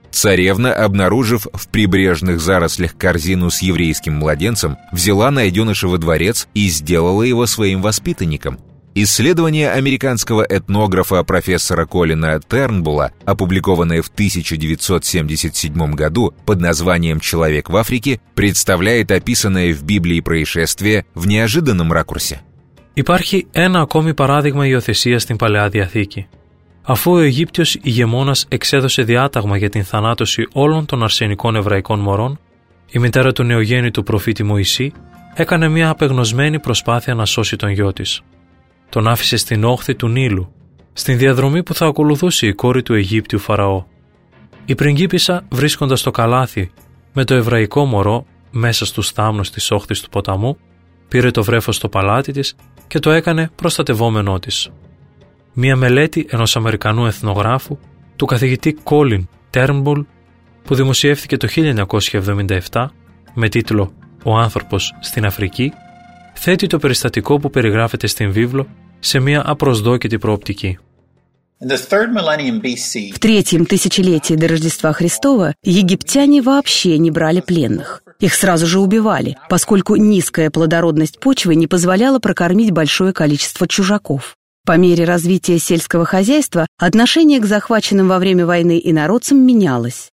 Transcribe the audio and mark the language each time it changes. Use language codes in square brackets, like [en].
[ru] Царевна, обнаружив в прибрежных зарослях корзину с еврейским младенцем, взяла найденыша во дворец и сделала его своим воспитанником. Исследование американского этнографа профессора Колина Тернбула, опубликованное в 1977 году под названием «Человек в Африке», представляет описанное в Библии происшествие в неожиданном ракурсе. [el] Υπάρχει ένα ακόμη παράδειγμα υιοθεσίας στην Παλαιά Διαθήκη. Αφού ο Αιγύπτιος ηγεμόνας εξέδωσε διάταγμα για την θανάτωση όλων των αρσενικών εβραϊκών μωρών, η μητέρα του νεογέννητου προφήτη Μωυσή έκανε μια απεγνωσμένη προσπάθεια να σώσει τον γιο της. Τον άφησε στην όχθη του Νείλου, στην διαδρομή που θα ακολουθούσε η κόρη του Αιγύπτιου Φαραώ. Η πριγκίπισσα, βρίσκοντας το καλάθι με το εβραϊκό μωρό μέσα στους θάμνους της όχθης του ποταμού, πήρε το βρέφος στο παλάτι της και το έκανε προστατευόμενό της. Μία μελέτη ενός Αμερικανού εθνογράφου, του καθηγητή Colin Turnbull, που δημοσιεύθηκε το 1977 με τίτλο «Ο άνθρωπος στην Αφρική», θέτει το περιστατικό που περιγράφεται στην βίβλο σε μία απροσδόκητη προοπτική. [ru] В третьем тысячелетии до Рождества Христова египтяне вообще не брали пленных. Их сразу же убивали, поскольку низкая плодородность почвы не позволяла прокормить большое количество чужаков. По мере развития сельского хозяйства отношение к захваченным во время войны инородцам менялось.